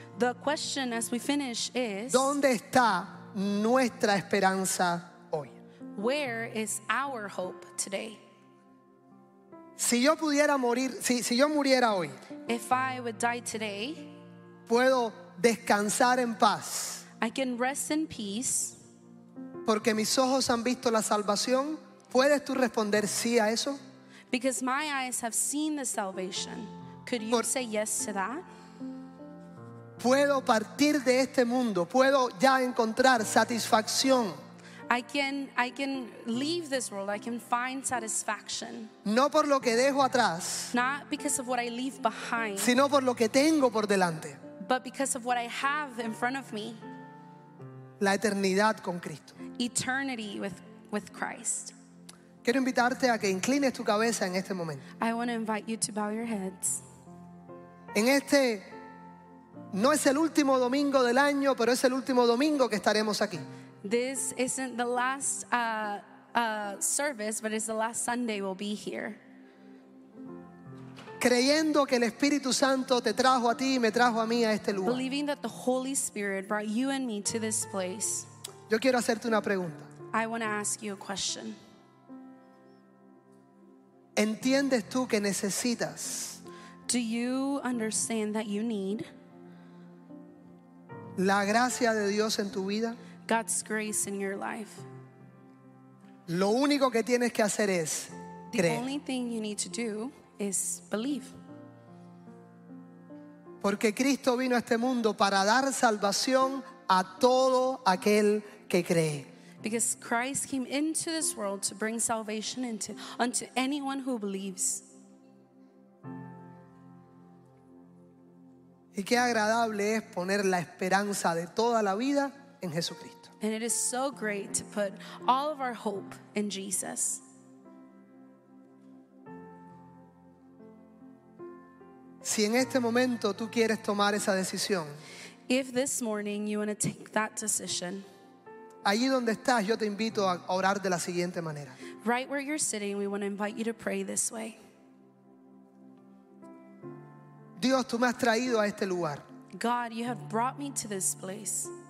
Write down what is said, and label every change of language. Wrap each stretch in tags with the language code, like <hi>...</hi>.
<en>the question as we finish is,</en> <es>¿dónde está nuestra esperanza hoy?</es> <en>Where is our hope today?</en> <es>Si yo pudiera morir, si yo muriera hoy,</es> <en>if I would die today,</en> <es>puedo descansar en paz.</es> <en>I can rest in peace.</en> <es>Porque mis ojos han visto la salvación. ¿Puedes tú responder sí a eso?</es> <en>Because my eyes have seen the salvation. Could you say yes to that?</en> <es>Puedo partir de este mundo. Puedo ya encontrar satisfacción.</es> <en>I can leave this world. I can find satisfaction.</en> <es>No por lo que dejo atrás,</es> <en>not because of what I leave behind,</en> <es>sino por lo que tengo por delante,</es> <en>but because of what I have in front of me.</en> <es>La eternidad con Cristo.</es> <en>Eternity with Christ.</en> <es>Quiero invitarte a que inclines tu cabeza en este momento.</es> <en>I want to invite you to bow your heads.</en> <es>En este no es el último domingo del año, pero es el último domingo que estaremos aquí.</es> <en>This isn't the last service, but it's the last Sunday we'll be here.</en> <es>Creyendo que el Espíritu Santo te trajo a ti y me trajo a mí a este lugar.</es> <en>Believing that the Holy Spirit brought you and me to this place.</en> <es>Yo quiero hacerte una pregunta.</es> <en>I want to ask you a question.</en> <es>¿Entiendes tú que necesitas?</es> <en>Do you understand that you need</en> <es>la gracia de Dios en tu vida?</es> <en>God's grace in your life.</en> <es>Lo único que tienes que hacer es creer.</es> <en>The only thing you need to do is believe.</en> <es>Porque Cristo vino a este mundo para dar salvación a todo aquel que cree.</es> <en>Because Christ came into this world to bring salvation unto anyone who believes.</en> <es>Y qué agradable es poner la esperanza de toda la vida en Jesucristo.</es> <en>And it is so great to put all of our hope in Jesus.</en> <es>Si en este momento tú quieres tomar esa decisión,</es> <en>if this morning you want to take that decision,</en> <es>allí donde estás yo te invito a orar de la siguiente manera.</es> <en>Right where you're sitting, we want to invite you to pray this way.</en> <es>Dios, tú me has traído a este lugar.</es> <en>God, you have brought me to this place.</en>